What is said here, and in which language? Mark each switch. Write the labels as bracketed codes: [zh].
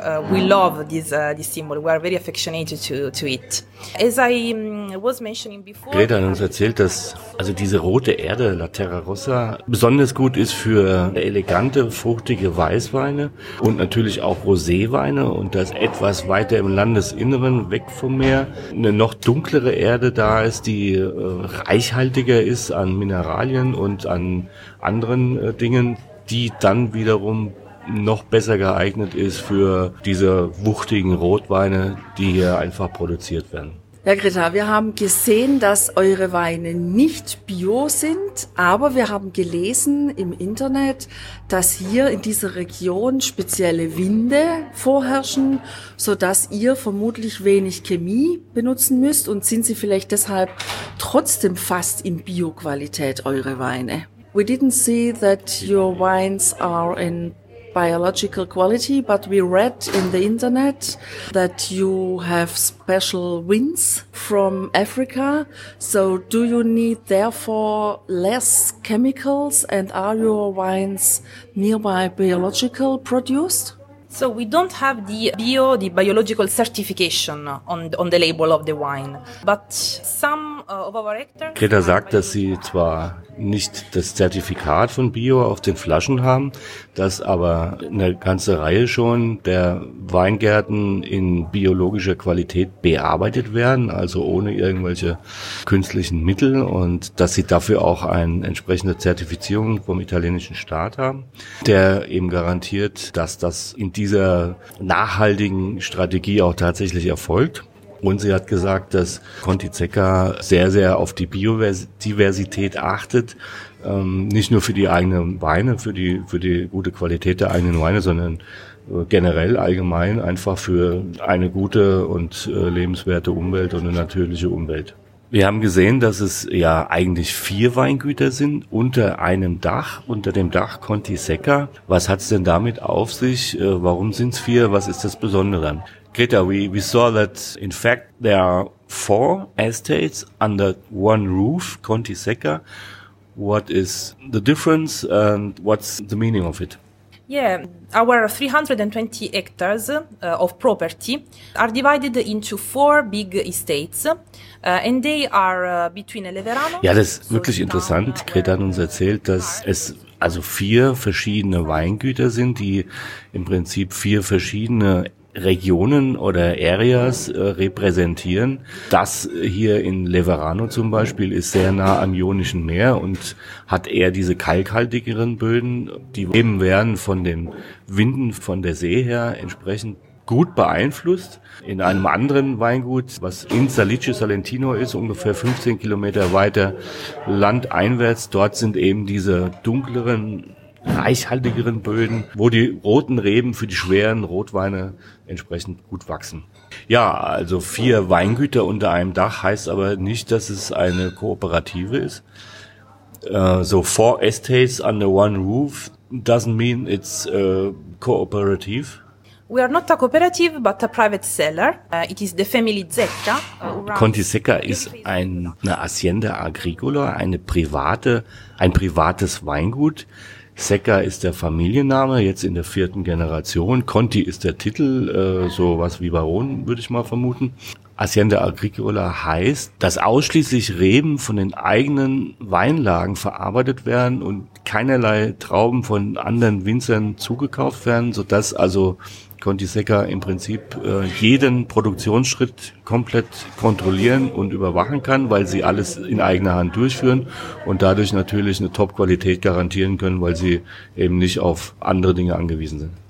[en] We love this symbol. We are very affectionate to it. As I was mentioning before... [de] Greta hat uns erzählt, dass also diese rote Erde, La Terra Rossa, besonders gut ist für elegante, fruchtige Weißweine und natürlich auch Roséweine, und dass etwas weiter im Landesinneren, weg vom Meer, eine noch dunklere Erde da ist, die reichhaltiger ist an Mineralien und an anderen Dingen, die dann wiederum noch besser geeignet ist für diese wuchtigen Rotweine, die hier einfach produziert werden. Ja, Greta, wir haben gesehen, dass eure Weine nicht bio sind, aber wir haben gelesen im Internet, dass hier in dieser Region spezielle Winde vorherrschen, sodass ihr vermutlich wenig Chemie benutzen müsst, und sind sie vielleicht deshalb trotzdem fast in Bio-Qualität, eure Weine? [en] We didn't see that your wines are in biological quality, but we read in the internet that you have special winds from Africa. So do you need therefore less chemicals, and are your wines nearby biological produced? So we don't have the biological certification on the label of the wine, but some [de] Greta sagt, dass sie zwar nicht das Zertifikat von Bio auf den Flaschen haben, dass aber eine ganze Reihe schon der Weingärten in biologischer Qualität bearbeitet werden, also ohne irgendwelche künstlichen Mittel, und dass sie dafür auch eine entsprechende Zertifizierung vom italienischen Staat haben, der eben garantiert, dass das in dieser nachhaltigen Strategie auch tatsächlich erfolgt. Und sie hat gesagt, dass Conti Zecca sehr, sehr auf die Biodiversität achtet, nicht nur für die eigenen Weine, für die gute Qualität der eigenen Weine, sondern generell allgemein einfach für eine gute und lebenswerte Umwelt und eine natürliche Umwelt. Wir haben gesehen, dass es ja eigentlich 4 Weingüter sind unter einem Dach, unter dem Dach Conti Zecca. Was hat es denn damit auf sich? Warum sind es 4? Was ist das Besondere? [en] Greta, we saw that in fact there are 4 estates under one roof, Conti Zecca. What is the difference and what's the meaning of it? Yeah, our 320 hectares of property are divided into 4 big estates and they are between Leverano. [de] Ja, das ist wirklich interessant. Greta hat uns erzählt, dass es also 4 verschiedene Weingüter sind, die im Prinzip 4 verschiedene Regionen oder Areas repräsentieren. Das hier in Leverano zum Beispiel ist sehr nah am Ionischen Meer und hat eher diese kalkhaltigeren Böden. Die eben werden von den Winden von der See her entsprechend gut beeinflusst. In einem anderen Weingut, was in Salice Salentino ist, ungefähr 15 Kilometer weiter landeinwärts, dort sind eben diese dunkleren, reichhaltigeren Böden, wo die roten Reben für die schweren Rotweine entsprechend gut wachsen. Ja, also 4 Weingüter unter einem Dach heißt aber nicht, dass es eine Kooperative ist. [en] So 4 estates under one roof doesn't mean it's cooperative. We are not a cooperative, but a private seller. It is the family Zecca. [de] Conti Zecca ist eine Hacienda Agricola, ein privates Weingut. Zecca ist der Familienname, jetzt in der 4. Generation. Conti ist der Titel, sowas wie Baron, würde ich mal vermuten. Hacienda Agricola heißt, dass ausschließlich Reben von den eigenen Weinlagen verarbeitet werden und keinerlei Trauben von anderen Winzern zugekauft werden, sodass also Conti Zecca im Prinzip jeden Produktionsschritt komplett kontrollieren und überwachen kann, weil sie alles in eigener Hand durchführen und dadurch natürlich eine Top-Qualität garantieren können, weil sie eben nicht auf andere Dinge angewiesen sind.